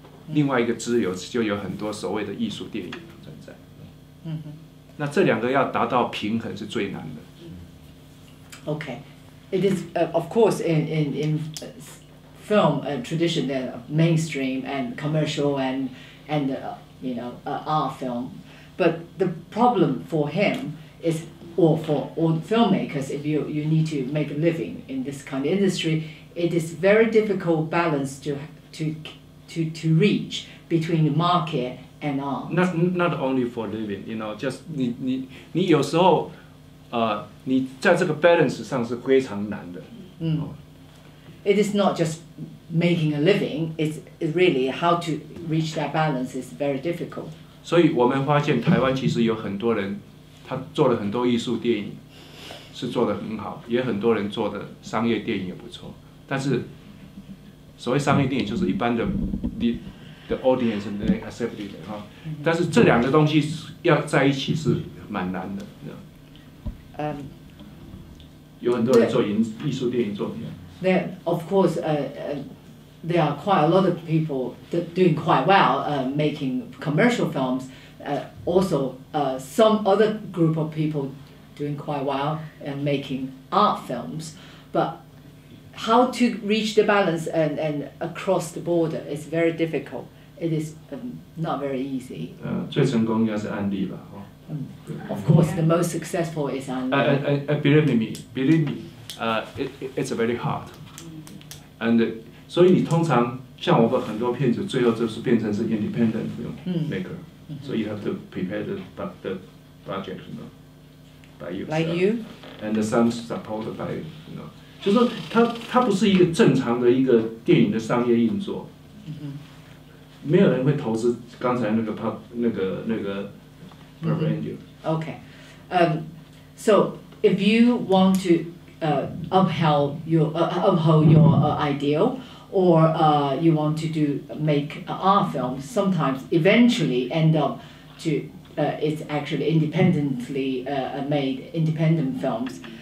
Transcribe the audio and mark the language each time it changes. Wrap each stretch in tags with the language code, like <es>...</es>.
<zh>另外一个支流就有很多所谓的艺术电影存在，那这两个要达到平衡是最难的。</zh> <en>Okay, it is of course in film tradition, the mainstream and commercial and you know art film, but the problem for him is or for all filmmakers, if you need to make a living in this kind of industry, it is very difficult balance to reach between the market and art. Not only for living, you know, just</en> <zh>你有时候，你在这个 balance 上是非常难的。</zh> <en>It is not just making a living. It's really how to reach that balance is very difficult.</en> <zh>所以我们发现台湾其实有很多人，他做了很多艺术电影，是做得很好，也很多人做的商业电影也不错，但是。所谓商业电影就是一般的</zh> <en>the audience and accepted</en> <zh>的哈，但是这两个东西要在一起是蛮难的。有很多人做艺术电影作品。</zh> <en>There of course, there are quite a lot of people doing quite well, making commercial films. Also, some other group of people doing quite well and making art films, but. How to reach the balance and across the border is very difficult. it is not very easy.</en> <zh>最成功应该是安利吧。</zh> <en>Of course, the most successful is Andy. Believe me, it's very hard. And so, you usually,</en> <zh>像我们很多片子，最后就是变成是</zh> <en>independent film maker. So you have to prepare the budget, you know, by yourself. Like you. And some support by, you know,</en> <zh>就是说它不是一个正常的一个电影的商业运作。没有人会投资刚才那个 Mm-hmm.</zh> <en>Okay, so if you want to uphold your ideal, or you want to make art film, sometimes eventually end up to it's actually independently made independent films.</en>